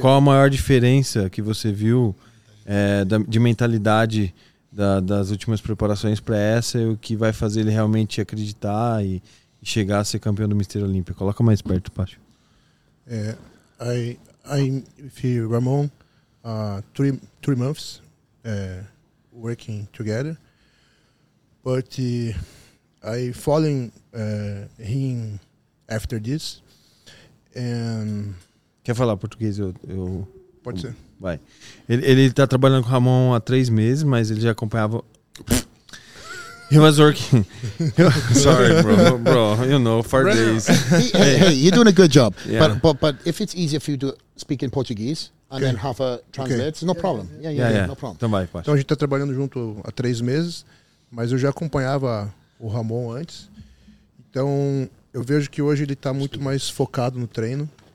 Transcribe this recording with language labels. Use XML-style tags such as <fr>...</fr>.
<pt>Qual a maior diferença que você viu de mentalidade das últimas preparações para essa e o que vai fazer ele realmente acreditar e chegar a ser campeão do Mr. Olympia? Coloca mais perto, Pacho.</pt> <en>I with Ramon three months working together, but I following him after this. And</en> <pt>quer falar português? Eu pode ser. Vai. Ele está trabalhando com Ramon há 3 meses, mas ele já acompanhava.</pt> <en>He was working. Sorry, bro. You know, far right. Days. Hey, you're doing a good job. Yeah. But if it's easier for you to speak in Portuguese and then have a translator, it's no problem. Yeah. No problem.</en> <pt>Então, a gente está trabalhando junto há 3 meses, mas eu já acompanhava o Ramon antes. Então, eu vejo que hoje ele está muito mais focado no treino.</pt>